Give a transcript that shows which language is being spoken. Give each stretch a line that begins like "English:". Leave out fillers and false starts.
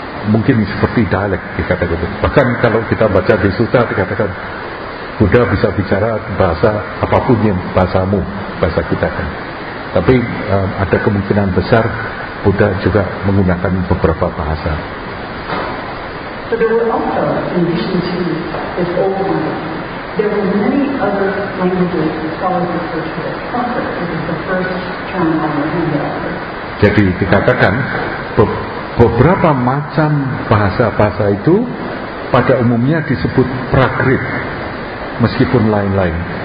Indonesian: Mungkin seperti dialek dikatakan. Bahkan kalau kita baca di sutra dikatakan Buddha bisa bicara bahasa apapun yang bahasamu, bahasa kita kan. Tapi ada kemungkinan besar Buddha juga menggunakan beberapa bahasa.
English: So there were also, in addition to this old language, there were many other languages that scholars refer to as Sanskrit, which is the first term on the Hindi alphabet.
Indonesian: Jadi dikatakan beberapa macam bahasa-bahasa itu pada umumnya disebut Prakrit, meskipun lain-lain.